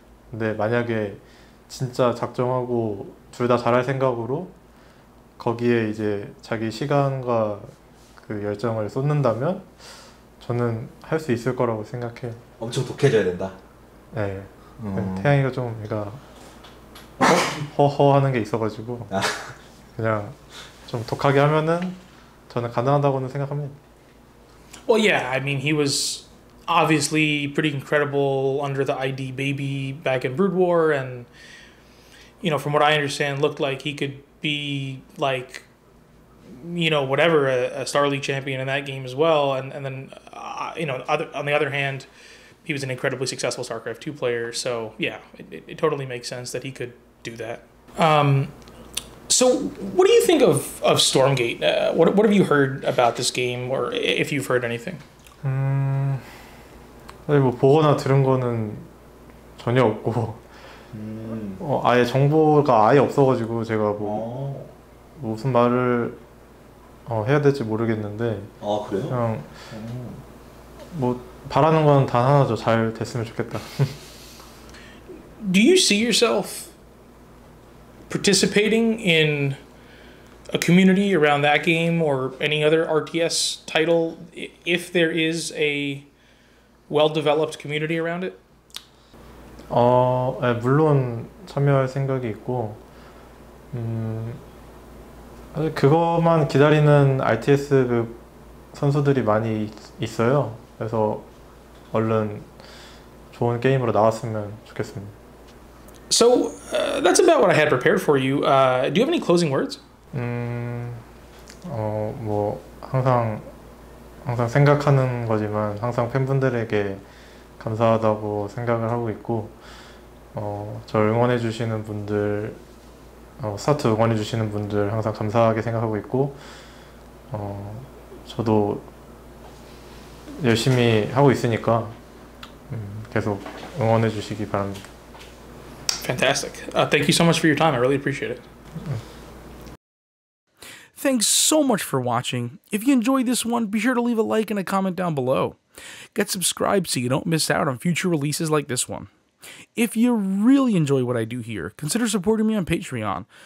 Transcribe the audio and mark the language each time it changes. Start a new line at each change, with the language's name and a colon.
Korean: 근데 만약에 진짜 작정하고 둘다 잘할 생각으로 거기에 이제 자기 시간과 그 열정을 쏟는다면 저는 할수 있을 거라고 생각해요. 엄청 독해져야 된다. 네. 태양이가 좀 얘가 허허 하는 게 있어가지고 그냥 좀 독하게 하면은 저는 가능하다고는 생각합니다.
English: Well, yeah, I mean, he was obviously pretty incredible under the ID baby back in Brood War, and from what I understand, looked like he could be like, whatever, a Star League champion in that game as well. And then, on the other hand, he was an incredibly successful StarCraft 2 player, so yeah, it totally makes sense that he could do that. So what do you think of Stormgate? What have you heard about this game, or if you've heard anything?
Korean: 사실 뭐 보거나 들은 거는 전혀 없고 아예 정보가 아예 없어가지고 제가 뭐 무슨 말을 해야 될지 모르겠는데 아 그래요? 그냥 뭐 바라는 건 단 하나죠. 잘 됐으면 좋겠다.
English: Do you see yourself participating in a community around that game or any other RTS title if there is a well-developed community around it?
Korean: 네, 물론 참여할 생각이 있고 사실 그것만 기다리는 RTS 그 선수들이 많이 있어요. 그래서 얼른 좋은 게임으로 나왔으면 좋겠습니다.
English: So that's about what I had prepared for you. Do you have any closing words?
Korean: 뭐 항상 생각하는 거지만 항상 팬분들에게 감사하다고 생각을 하고 있고 저 응원해 주시는 분들 스타트 응원해 주시는 분들 항상 감사하게 생각하고 있고 저도 열심히 하고 있으니까 계속 응원해 주시기 바랍니다.
English: Fantastic. Thank you so much for your time. I really appreciate it. Thanks so much for watching. If you enjoyed this one, be sure to leave a like and a comment down below. Get subscribed so you don't miss out on future releases like this one. If you really enjoy what I do here, consider supporting me on Patreon.